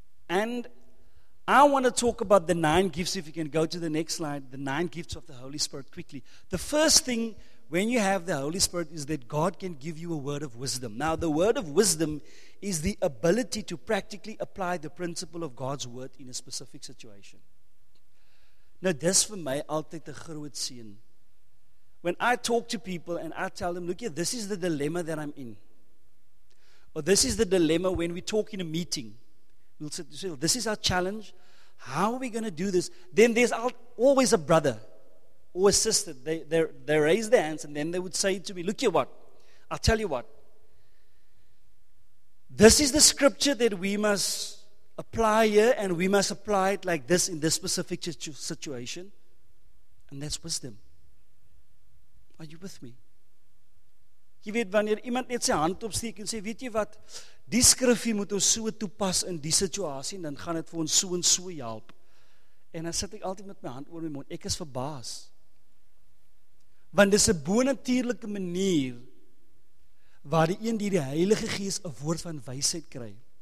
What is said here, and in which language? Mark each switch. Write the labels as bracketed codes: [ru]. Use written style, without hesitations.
[en] And I want to talk about the 9 gifts, if you can go to the next slide, the 9 gifts of the Holy Spirit quickly. The first thing when you have the Holy Spirit is that God can give you a word of wisdom. Now, the word of wisdom is the ability to practically apply the principle of God's word in a specific situation. Now, this for me, [af] altijd een groot seën. [en] When I talk to people and I tell them, look here, this is the dilemma that I'm in. Or this is the dilemma when we talk in a meeting. We'll say, this is our challenge. How are we going to do this? Then there's always a brother or a sister. They raise their hands and then they would say to me, look here, what? I'll tell you what. This is the scripture that we must apply here, and we must apply it like this in this specific situation. And that's wisdom. Are you with me? [af] Jy weet, wanneer iemand net sy hand opsteek en sê, weet jy wat, die skrifie moet ons so toepas in die situasie, dan gaan het vir ons so en so help. En dan sit ek altyd met my hand oor my mond. Ek is verbaas. Want dis 'n bonatuurlike manier waar die een die Heilige Gees 'n woord van wysheid kry.